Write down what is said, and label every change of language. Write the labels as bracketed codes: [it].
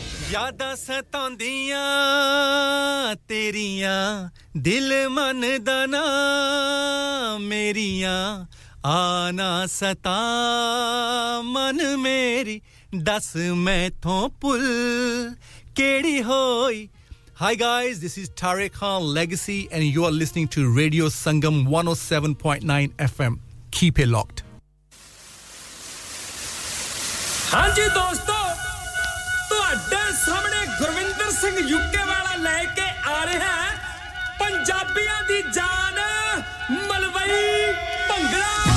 [pa] ਯਾਦਾਂ ਸਤਾਉਂਦੀਆਂ ਤੇਰੀਆਂ ਦਿਲ ਮਨ ਦਾ ਨਾ ਮੇਰੀਆਂ ਆਨਾ ਸਤਾ ਮਨ ਮੇਰੀ ਦੱਸ ਮੈਥੋਂ ਪੁੱਲ ਕਿਹੜੀ ਹੋਈ. [en] Hi guys, this is Tariq Khan Legacy and you are listening to Radio Sangam 107.9 FM. Keep it locked. [pa] ਹਾਂ ਜੀ ਦੋਸਤੋ, ਤੁਹਾਡੇ ਸਾਹਮਣੇ ਗੁਰਵਿੰਦਰ ਸਿੰਘ ਯੂਕੇ ਵਾਲਾ ਲੈ ਕੇ ਆ ਰਿਹਾ ਪੰਜਾਬੀਆਂ ਦੀ ਜਾਨ ਮਲਵਈ ਭੰਗੜਾ.